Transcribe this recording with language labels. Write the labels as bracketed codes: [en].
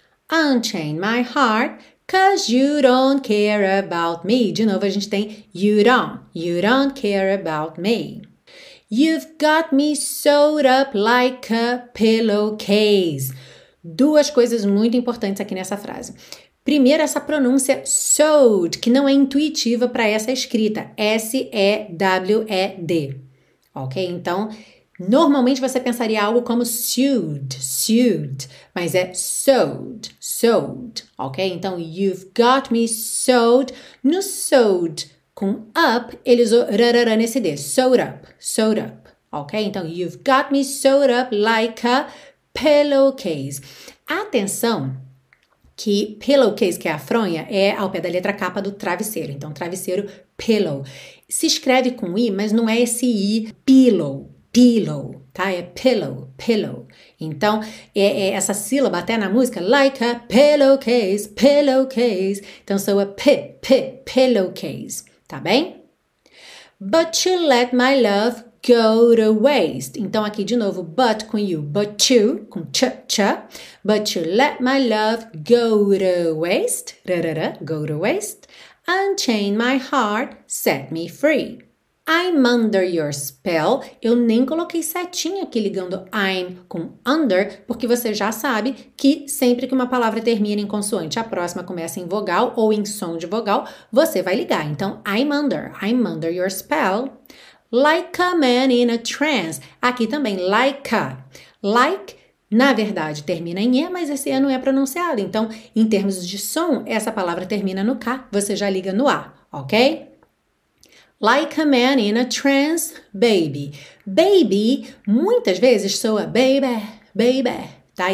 [en] Unchain my heart, cause you don't care about me. [pt] De novo, a gente tem [en] you don't care about me. You've got me sewed up like a pillowcase. [pt] Duas coisas muito importantes aqui nessa frase. Primeiro, essa pronúncia sewed, que não é intuitiva para essa escrita. S-E-W-E-D. Ok, então... Normalmente você pensaria algo como sewed, sewed, mas é sewed, sewed, ok? Então, [en] you've got me sewed. [pt] No sewed com up, ele usou rarara nesse D, [en] sewed up, [pt] ok? [en] Então, you've got me sewed up like a pillowcase. [pt] Atenção que pillowcase, que é a fronha, é ao pé da letra capa do travesseiro. Então, travesseiro, pillow. Se escreve com I, mas não é esse I, pillow. Pillow, tá? É pillow, pillow. Então, essa sílaba até na música, [en] like a pillowcase, [pt] pillowcase. Então, sou a pillowcase, tá bem? [en] But you let my love go to waste. [pt] Então, aqui de novo, but com you, but you, com ch. [en] But you let my love go to waste, rarara, go to waste. Unchain my heart, set me free. I'm under your spell. [pt] Eu nem coloquei setinha aqui ligando I'm com under, porque você já sabe que sempre que uma palavra termina em consoante, a próxima começa em vogal ou em som de vogal, você vai ligar. [en] Então, I'm under your spell. Like a man in a trance. [pt] Aqui também, [en] like a. [pt] Like, na verdade, termina em E, mas esse E não é pronunciado. Então, em termos de som, essa palavra termina no K, você já liga no A, ok? [en] Like a man in a trance, baby. Baby, [pt] muitas vezes soa [en] baby, baby, tá?